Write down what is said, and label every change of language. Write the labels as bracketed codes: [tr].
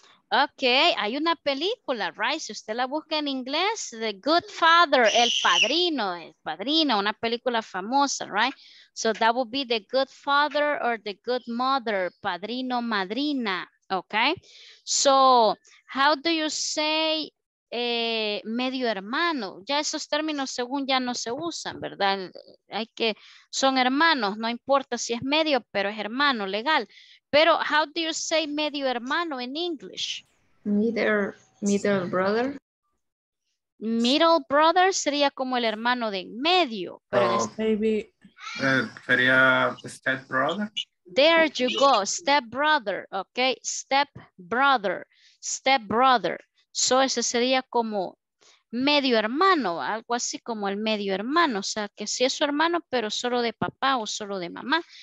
[es] Ok, hay una película, right? Si usted la busca en inglés, The Good Father, el padrino, una película famosa, right? [en] So that would be the good father or the good mother, [es] padrino, madrina, [en] ok? So, how do you say... [es] medio hermano, ya esos términos según ya no se usan, ¿verdad? Hay que, son hermanos, no importa si es medio, pero es hermano legal. Pero, [en] how do you say [es] medio hermano [en] in English? Middle brother. [es] Middle brother sería como el hermano de medio. Pero oh, este... maybe. Sería step brother. [en] There you go, step brother, ok, step brother, step brother. [es] So, ese sería como medio hermano, algo así como el medio hermano. O sea, que sí es su hermano, pero solo de papá o solo de mamá.